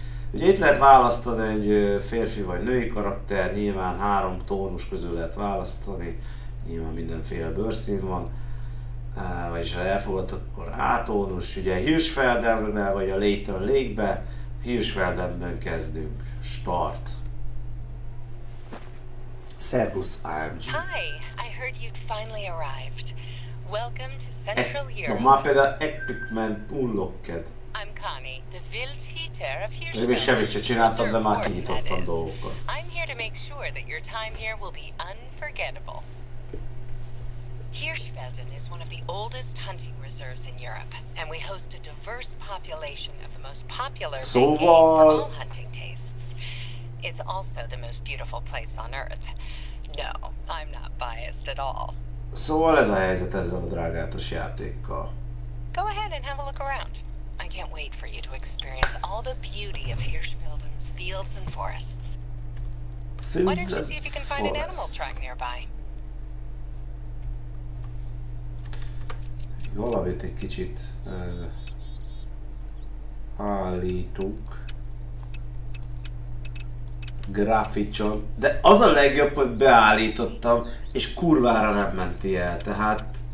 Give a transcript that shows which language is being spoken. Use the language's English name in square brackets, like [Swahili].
[Hungarian] ugye itt lehet választani egy férfi vagy női karakter, nyilván három tónus közül lehet választani. Nyilván mindenféle bőrszín van. Vagyis ha elfogadtak, akkor A tónus, ugye Hirschfeldemben vagy a Leighton Lake-be. Hirschfeldemben kezdünk. [English] Start. [Hungarian] Servus, AMG. [English] Hi, I heard you'd finally arrived. Welcome to Central Europe. [Hungarian] Na, már például [English] Epic Man unlocked. I'm Connie, the Wildhüter of Hirschfeld. [Hungarian] Én még semmit sem csináltam, de már kinyitottam dolgokat. [English] I'm here to make sure that your time here will be unforgettable. Hirschfelden is one of the oldest hunting reserves in Europe, and we host a diverse population of the most popular all hunting tastes. It's also the most beautiful place on earth. No, I'm not biased at all. [Hungarian] Szóval ez a helyzet ezzel a drágátos játékkal. [English] Go ahead and have a look around. I can't wait for you to experience all the beauty of Hirschfelden's fields and forests. Why don't you see if you can find an animal track nearby? [Hungarian] Valamit egy kicsit állítunk. Grafitson. De az a legjobb, hogy beállítottam, és kurvára nem menti el. Tehát...